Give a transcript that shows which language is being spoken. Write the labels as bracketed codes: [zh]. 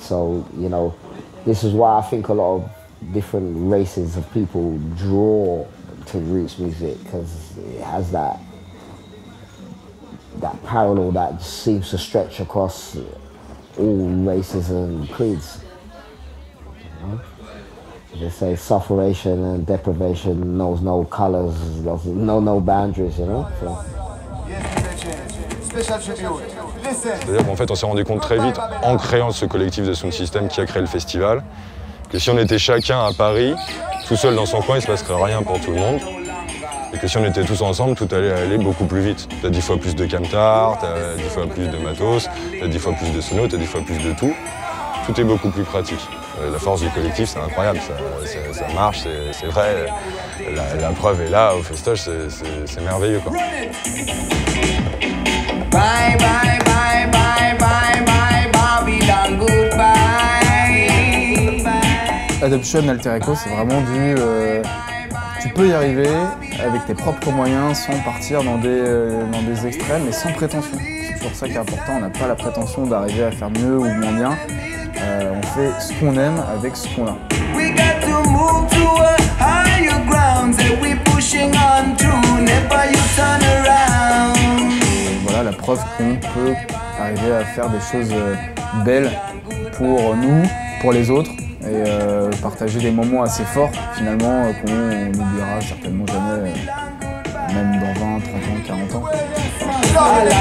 [en] So, you know, this is why I think a lot of different races of people draw to roots music, because it has that parallel that seems to stretch across all races and creeds. You know? They say suffering and deprivation knows no colours, no boundaries, you know. So. [fr] C'est-à-dire qu'en fait, on s'est rendu compte très vite, en créant ce collectif de Sound System qui a créé le festival, que si on était chacun à Paris, tout seul dans son coin, il ne se passerait rien pour tout le monde. Et que si on était tous ensemble, tout allait aller beaucoup plus vite. T'as 10 fois plus de camtar, t'as 10 fois plus de matos, t'as 10 fois plus de sono, t'as 10 fois plus de tout. Tout est beaucoup plus pratique. La force du collectif, c'est incroyable, ça marche, c'est vrai. La preuve est là, au Festoche, c'est merveilleux. Quoi. [en] Bye bye bye bye bye bye Babylon goodbye. [fr] Adoption Alter Echo, c'est vraiment du tu peux y arriver avec tes propres moyens sans partir dans des extrêmes et sans prétention. C'est toujours ça qui est important, on n'a pas la prétention d'arriver à faire mieux ou moins bien. On fait ce qu'on aime avec ce qu'on a. [en] We got to move to a higher ground that we pushing on to never you turn around. [fr] La preuve qu'on peut arriver à faire des choses belles pour nous, pour les autres, et partager des moments assez forts, finalement, qu'on n'oubliera certainement jamais, même dans 20, 30 ans, 40 ans.